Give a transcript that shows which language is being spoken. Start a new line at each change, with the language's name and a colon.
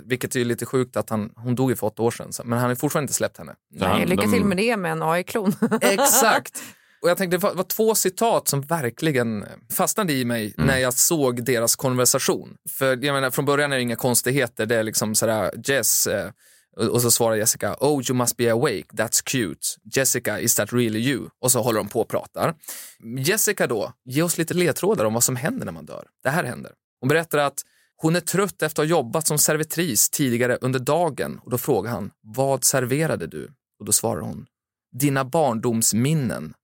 Swedish: Vilket är ju lite sjukt att hon dog för 8 år sedan. Men han har fortfarande inte släppt henne. Nej, lycka till med det med en AI-klon. Exakt. Och jag tänkte, det var två citat som verkligen fastnade i mig när jag såg deras konversation. För jag menar, från början är det inga konstigheter. Det är liksom sådär, Jess... Och så svarar Jessica,
English: oh you must be awake, that's cute. Jessica, is that really you?
Swedish: Och så håller de på och pratar. Jessica då, ge oss lite ledtrådar om vad som händer när man dör. Det här händer. Hon berättar att hon är trött efter att ha jobbat som servitris tidigare under dagen. Och då frågar han, vad serverade du? Och då svarar hon, dina barndomsminnen.